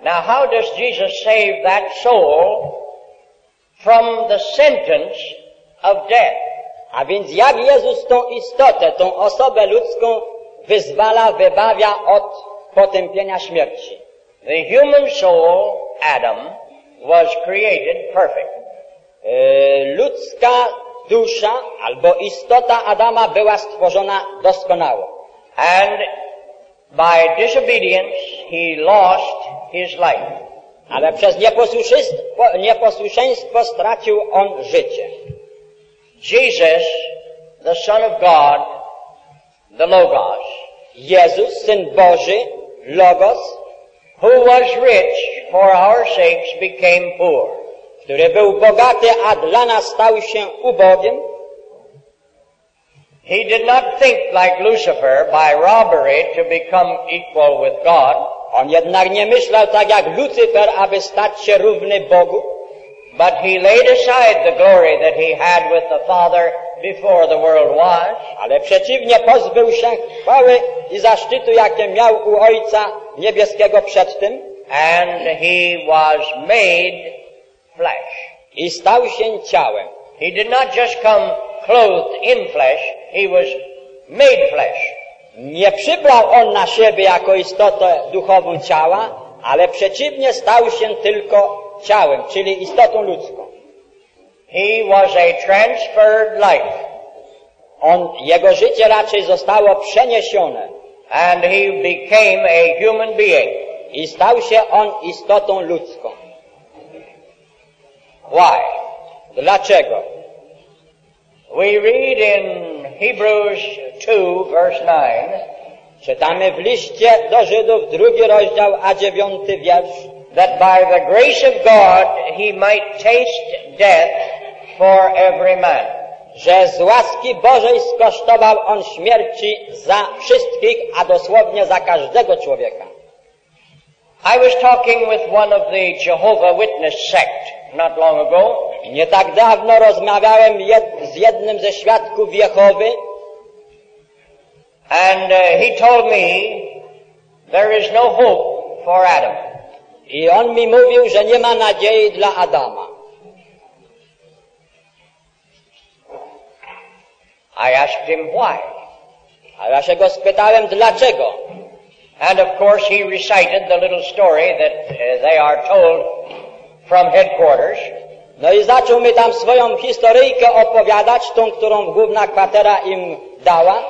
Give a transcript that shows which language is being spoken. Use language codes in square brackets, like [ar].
[en] Now, how does Jesus save that soul from the sentence of death? [pl] A więc jak Jezus tą istotę, tą osobę ludzką wyzwala, wybawia od potępienia śmierci? [en] The human soul, Adam, was created perfect. [pl] Ludzka dusza albo istota Adama była stworzona doskonało. [en] And by disobedience he lost his life. [pl] Ale przez nieposłuszeństwo stracił on życie. [en] Jesus, the Son of God, the Logos. [pl] Jezus, Syn Boży, Logos, [en] who was rich for our sakes became poor. [pl] Który był bogaty, a dla nas stał się ubogim. [en] He did not think like Lucifer by robbery to become equal with God. [pl] On jednak nie myślał tak jak Lucifer, aby stać się równy Bogu. [en] But he laid aside the glory that he had with the Father before the world was. [pl] Ale przeciwnie, pozbył się chwały i zaszczytu, jakie miał u Ojca Niebieskiego przed tym. [en] And he was made flesh. [pl] I stał się ciałem. [en] He did not just come clothed in flesh, he was made flesh. [pl] Nie przybrał on na siebie jako istotę duchową ciała, ale przeciwnie, stał się tylko ciałem, czyli istotą ludzką. [en] He was a transferred life. [pl] On, jego życie raczej zostało przeniesione. [en] And he became a human being. [pl] I stał się on istotą ludzką. [en] Why? [pl] Dlaczego? [en] We read in Hebrews 2, verse 9, [pl] czytamy w liście do Żydów, drugi rozdział, a dziewiąty wiersz, [en] that by the grace of God he might taste death for every man. [pl] Że z łaski Bożej skosztował on śmierci za wszystkich, a dosłownie za każdego człowieka. [en] I was talking with one of the Jehovah Witness sect not long ago. [pl] Nie tak dawno rozmawiałem z jednym ze świadków Jehowy. [en] And he told me there is no hope for Adam. [pl] I on mi mówił, że nie ma nadziei dla Adama. [en] I asked him why. [pl] A ja się go spytałem, dlaczego. [en] And of course he recited the little story that they are told from headquarters. [pl] No i zaczął mi tam swoją historyjkę opowiadać, tą, którą główna kwatera im dała.